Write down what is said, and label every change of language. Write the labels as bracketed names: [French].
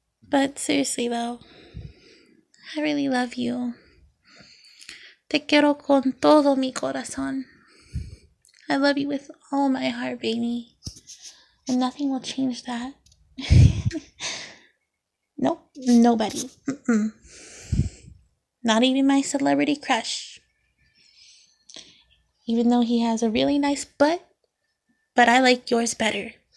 [English] But seriously though, I really love you. [Spanish] Te quiero con todo mi corazón. [English] I love you with all my heart, baby. And nothing will change that. Nope, nobody. Not even my celebrity crush. Even though he has a really nice butt, but I like yours better.